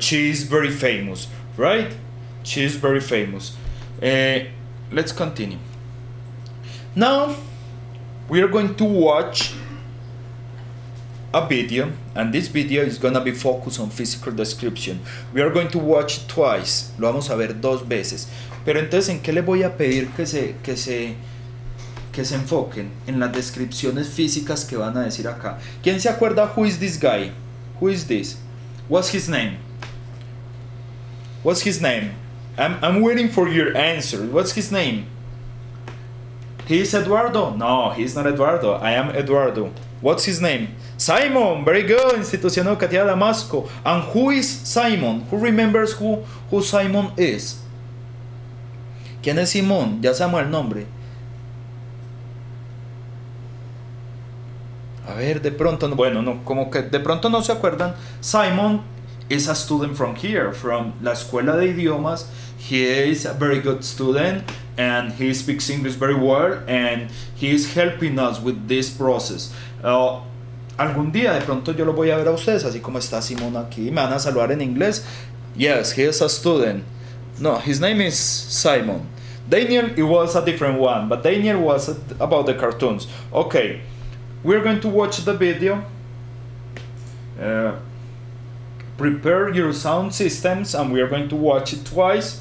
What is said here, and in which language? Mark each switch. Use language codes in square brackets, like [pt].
[en] She is very famous, right? She is very famous. Let's continue. Now, we are going to watch a video, and this video is going to be focused on physical description. We are going to watch twice. [es] Lo vamos a ver dos veces. Pero entonces, ¿en qué le voy a pedir que se enfoquen? En las descripciones físicas que van a decir acá. ¿Quién se acuerda? [en] Who is this guy? Who is this? What's his name? What's his name? I'm waiting for your answer. What's his name? He's Eduardo? No, he's not Eduardo. I am Eduardo. What's his name? Simon. Very good. Institución Educativa Damasco. And who is Simon? Who remembers who Simon is? [es] ¿Quién es Simón? Ya sabemos el nombre. A ver, de pronto no. Bueno, no, como que de pronto no se acuerdan. [en] Simon is a student from here, from [es] la escuela de idiomas. [en] He is a very good student and he speaks English very well and he is helping us with this process. [es] Algún día de pronto yo lo voy a ver a ustedes, así como está Simón aquí, me van a saludar en inglés. [en] Yes, he is a student. No, his name is Simon. Daniel, it was a different one, but Daniel was about the cartoons. Okay, we're going to watch the video. Prepare your sound systems and we are going to watch it twice.